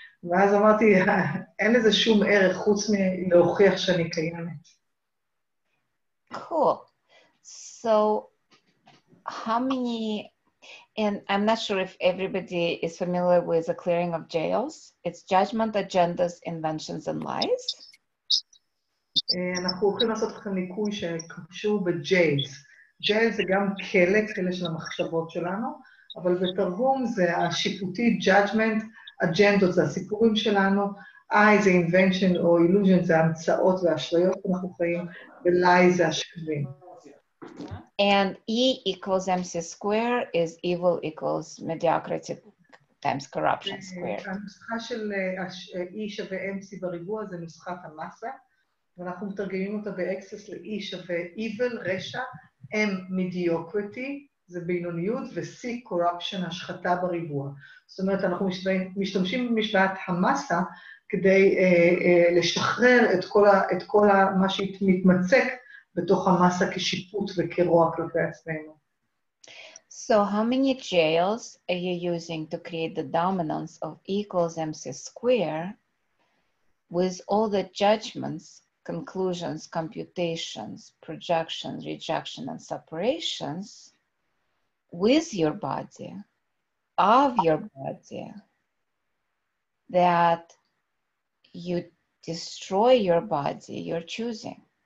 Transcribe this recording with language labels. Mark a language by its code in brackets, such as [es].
[he] ואז אמרתי, אין לזה שום ערך חוץ מלהוכיח שאני קיימת. [en] Cool. So, how many, and I'm not sure if everybody is familiar with the clearing of jails. It's judgment, agendas, inventions, and lies. [he] אנחנו הולכים לעשות לכם ניקוי שקשור בג'יילס. ג'יילס זה גם כלא, כלא של המחשבות שלנו, אבל בתרגום זה השיפוטי, [en] judgment, agendas, [he] זה הסיפורים שלנו. I זה invention או illusion, זה המצאות והשריות שאנחנו חיים, ולי זה השקבים. [en] And E equals MC squared is evil equals mediocrity times corruption squared. [he] הנוסחה של E שווה MC בריבוע זה נוסחת המסה, ואנחנו מתרגמים אותה באקסס ל-E שווה evil, רשע, M mediocrity, זה בינוניות, ו-C corruption, השחתה בריבוע. זאת אומרת, אנחנו משתמשים במשוואת המסה כדי לשחרר את כל מה שמתמצק בתוך המסה כשיפוט וכרוע כלפי עצמנו. [en] So how many jails are you using to create the dominance of E equals MC square with all the judgments, conclusions, computations, projections, rejection and separations with your body, of your body, that you destroy your body, you're choosing?